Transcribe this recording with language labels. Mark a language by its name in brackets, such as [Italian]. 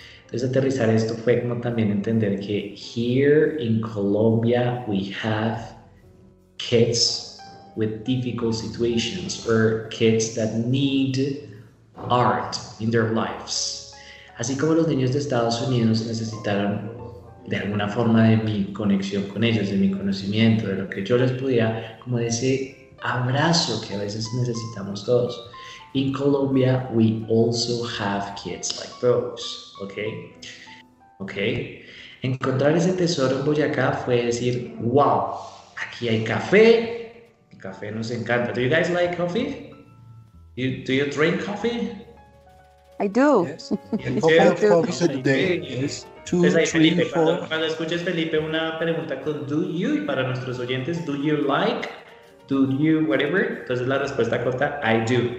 [Spanish] Entonces aterrizar esto fue como también entender que [English] here in Colombia we have kids with difficult situations or kids that need art in their lives. [Spanish] Así como los niños de Estados Unidos necesitaron de alguna forma de mi conexión con ellos, de mi conocimiento, de lo que yo les podía, como de ese abrazo que a veces necesitamos todos. [English] In Colombia, we also have kids like those, okay? Okay? [Spanish] Encontrar ese tesoro en Boyacá fue decir, wow, aquí hay café. El café nos encanta. [English] Do you guys like coffee? Do you drink coffee? I do. Yes. Yes. Okay. Okay. Okay. Okay. Yes. [Spanish] Two, pues ahí, Felipe, three, four. Cuando escuches, Felipe, una pregunta con do you, y para nuestros oyentes, [English] do you like, do you whatever, [Spanish] entonces la respuesta corta, [English] I do.